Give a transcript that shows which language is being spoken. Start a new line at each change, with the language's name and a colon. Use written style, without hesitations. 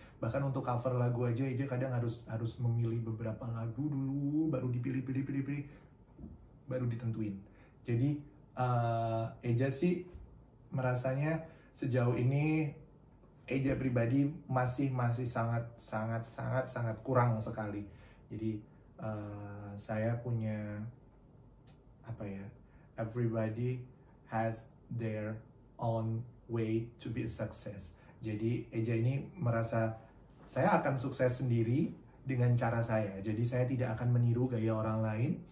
Indonesian: Bahkan untuk cover lagu aja kadang harus memilih beberapa lagu dulu, baru dipilih, baru ditentuin. Jadi Eja sih merasanya sejauh ini Eja pribadi masih sangat kurang sekali. Jadi saya punya apa ya,
English: everybody has their own way to be a success.
Indonesian: Jadi Eja ini merasa saya akan sukses sendiri dengan cara saya. Jadi saya tidak akan meniru gaya orang lain.